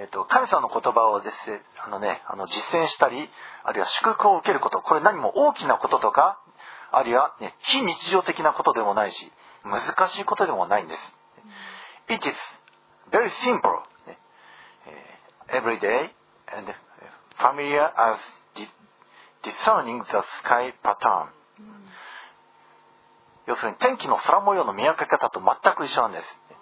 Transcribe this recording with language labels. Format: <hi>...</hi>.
<ja>神様の言葉を実践したり、あるいは祝福を受けること、これ何も大きなこととか、あるいは、ね、非日常的なことでもないし、難しいことでもないんです。</ja> <en>It is very simple, every day, and familiar as discerning the sky pattern.</en> <ja>要するに天気の空模様の見分け方と全く一緒なんです。</ja>